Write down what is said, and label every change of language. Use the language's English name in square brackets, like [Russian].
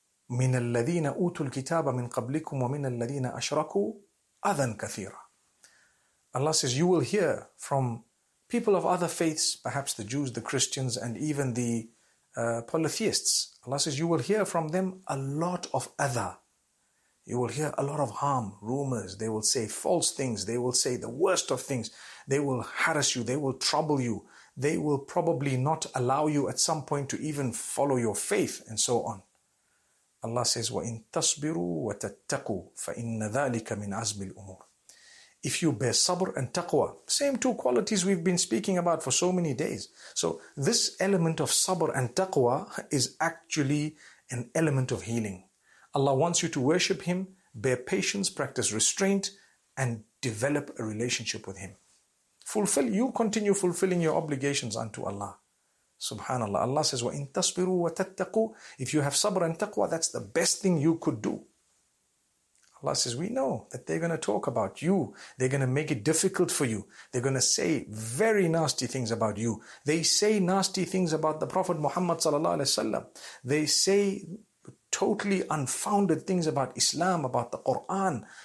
[Arabic] من الذين أوتوا الكتاب من قبلكم ومن الذين أشركوا أذًا كثيرا. [English] Allah says, you will hear from people of other faiths, perhaps the Jews, the Christians, and even the polytheists. Allah says, you will hear from them a lot of adha. You will hear a lot of harm, rumors. They will say false things. They will say the worst of things. They will harass you. They will trouble you. They will probably not allow you at some point to even follow your faith, and so on. Allah says, [Arabic] وَإِن تَصْبِرُوا وَتَتَّقُوا فَإِنَّ ذَٰلِكَ مِنْ عَزْمِ الْأُمُورِ. [English] If you bear sabr and taqwa, same two qualities we've been speaking about for so many days. So this element of sabr and taqwa is actually an element of healing. Allah wants you to worship Him, bear patience, practice restraint, and develop a relationship with Him. Fulfill, you continue fulfilling your obligations unto Allah. Subhanallah. Allah says, [Arabic] وَإِن تَصْبِرُوا وَتَتَّقُوا. [English] If you have sabr and taqwa, that's the best thing you could do. Allah says, we know that they're going to talk about you. They're going to make it difficult for you. They're going to say very nasty things about you. They say nasty things about the Prophet Muhammad sallallahu alaihi wasallam. They say totally unfounded things about Islam, about the Quran.